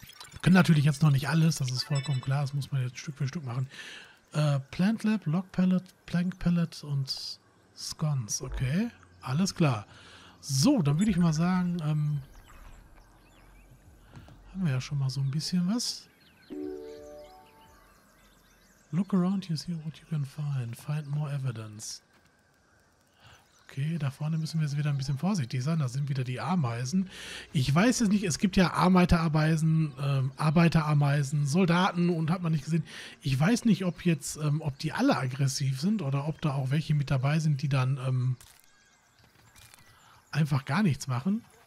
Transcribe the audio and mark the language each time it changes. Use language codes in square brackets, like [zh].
[de] Wir können natürlich jetzt noch nicht alles, das ist vollkommen klar. Das muss man jetzt Stück für Stück machen. Plant Lab, Log Pellet, Plank Pellet und Sconce. Okay, alles klar. So, dann würde ich mal sagen, haben wir ja schon mal so ein bisschen was. [en] Look around, you see what you can find. Find more evidence. [de] Okay, da vorne müssen wir jetzt wieder ein bisschen vorsichtig sein. Da sind wieder die Ameisen. Ich weiß jetzt nicht, es gibt ja Arbeiterameisen, Arbeiterameisen, Soldaten und hat man nicht gesehen. Ich weiß nicht, ob jetzt, ob die alle aggressiv sind oder ob da auch welche mit dabei sind, die dann einfach gar nichts machen.